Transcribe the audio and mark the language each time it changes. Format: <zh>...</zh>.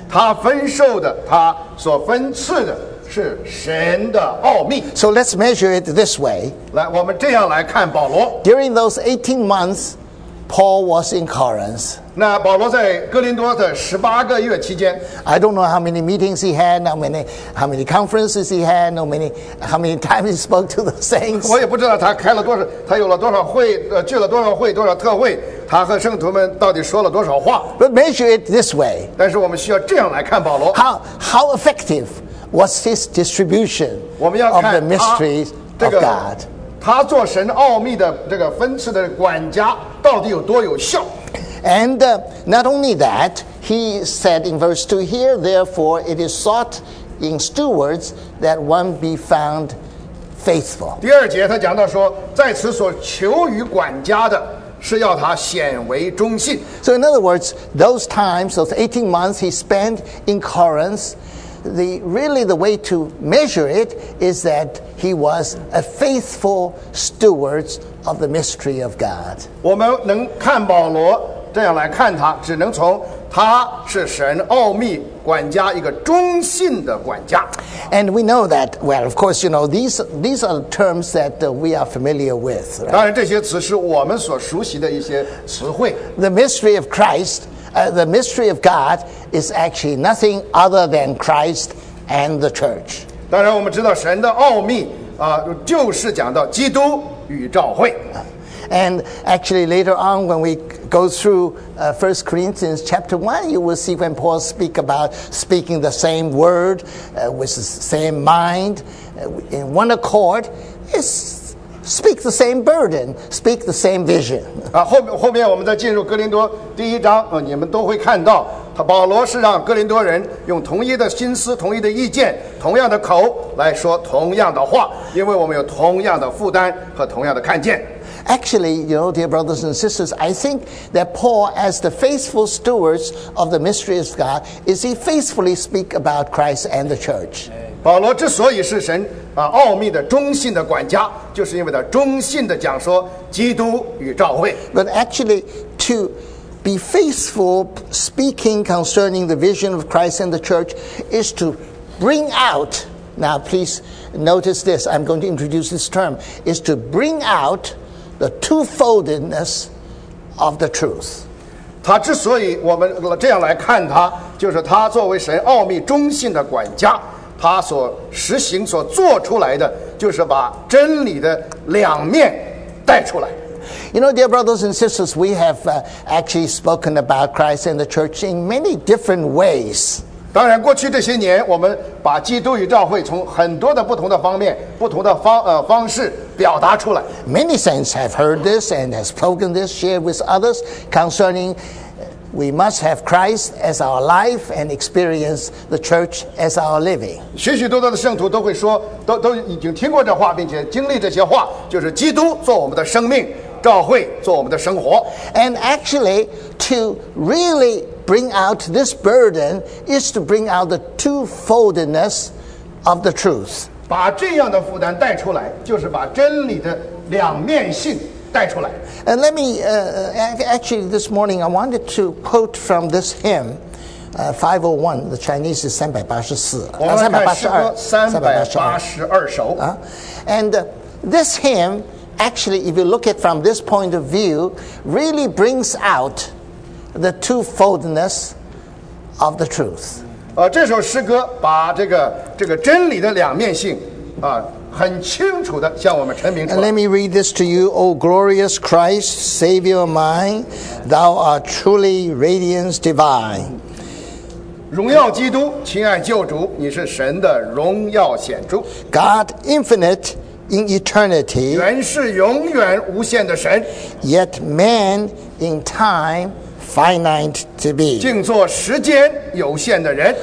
<zh>他分受的，他所分次的是神的奥秘。</zh> <en>So let's measure it this way。</en> <zh>来，我们这样来看保罗。</zh> <en>During those 18 months。 Paul was in Corinth.</en> <zh>那保罗在哥林多的十八个月期间</zh> <en>，I don't know how many meetings he had, how many conferences he had, how many times he spoke to the saints.</en> <zh>我也不知道他开了多少，他有了多少会，聚了多少会，多少特会，他和圣徒们到底说了多少话。</zh> <en>But measure it this way.</en> <zh>但是我们需要这样来看保罗。</zh> <en>How effective was his distribution of the mysteries of God?</en> <zh>他做神奥秘的这个分次的管家。到底有多有效</zh> <en>And not only that, he said in verse 2, here therefore it is sought in stewards that one be found faithful.</en> <zh>第二节他讲到说，在此所求于管家的是要他显为忠信。</zh> <en>So in other words, those times, those 18 months he spent in Corinth, the way to measure it is that he was a faithful steward of the mystery of God.</en> <zh>我们能看保罗这样来看他，只能从他是神奥秘管家，一个忠信的管家。</zh> <en>And we know that, well, of course, you know, these are terms that we are familiar with.</en> <zh>当然，这些词是我们所熟悉的一些词汇。</zh> <en>The mystery of Christ, the mystery of God is actually nothing other than Christ and the church.</en> <zh>当然，我们知道神的奥秘啊，就是讲到基督与教会。</zh> <en>And actually later on when we go through 1 Corinthians chapter 1, you will see when Paul speaks about speaking the same word with the same mind in one accord, it's speak the same burden, speak the same vision.</en> <zh>后面我们再进入哥林多第一章，你们都会看到他保罗是让哥林多人用同一的心思、同一的意见、同样的口来说同样的话，因为我们有同样的负担和同样的看见。</zh> <en>Actually, you know, dear brothers and sisters, I think that Paul, as the faithful stewards of the mystery of God, is he faithfully speak about Christ and the church.</en> <zh>保罗之所以是神奥秘的忠信的管家，就是因为他忠信的讲说基督与教会。</zh> <en>But actually, to be faithful speaking concerning the vision of Christ and the church is to bring out. Now, please notice this. I'm going to introduce this term. Is to bring out. The twofoldness of the truth.</en> <zh>他之所以我们这样来看他，就是他作为神奥秘忠信的管家，他所实行所做出来的，就是把真理的两面带出来。</zh> <en>You know, dear brothers and sisters, we have actually spoken about Christ and the church in many different ways.</en> <zh>当然，过去这些年，我们把基督与教会从很多的不同的方面、不同的方式表达出来。</zh> <en>Many saints have heard this and have spoken this, shared with others concerning we must have Christ as our life and experience the church as our living.</en> <zh>许许多多的圣徒都会说，都已经听过这话，并且经历这些话，就是基督做我们的生命，教会做我们的生活。</zh> <en>And actually, to really. Bring out this burden is to bring out the twofoldness of the truth.</en> <zh>把这样的负担带出来，就是把真理的两面性带出来。</zh> <en>And let me, actually this morning I wanted to quote from this hymn, 501, the Chinese is 382 And this hymn, actually if you look at from this point of view, really brings outThe twofoldness of the truth.</en> <zh>这首诗歌把这个真理的两面性啊，很清楚的向我们陈明出来。</zh> <en>Let me read this to you, O glorious Christ, Savior mine, Thou art truly radiance divine.</en> <zh>荣耀基督，亲爱救主，你是神的荣耀显著。</zh> <en>God infinite in eternity,</en> <zh>原是永远无限的神。</zh> <en>Yet man in time. Finite to be.</en> <zh>竟作时间有限的人。</zh>